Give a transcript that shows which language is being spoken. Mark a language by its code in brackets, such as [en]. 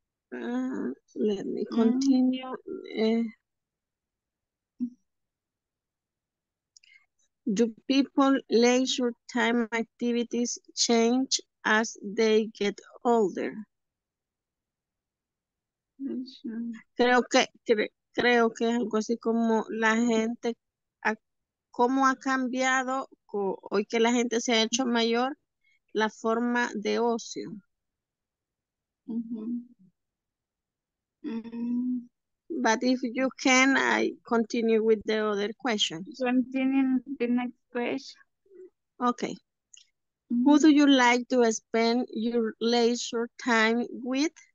[en] Let me continue. Do people leisure time activities change as they get older? [es] Creo que es algo así como la gente, cómo ha cambiado hoy que la gente se ha hecho mayor la forma de ocio. Mm-hmm. [en] But if you can, I continue with the other questions. Continue the next question. Okay. Mm-hmm. Who do you like to spend your leisure time with?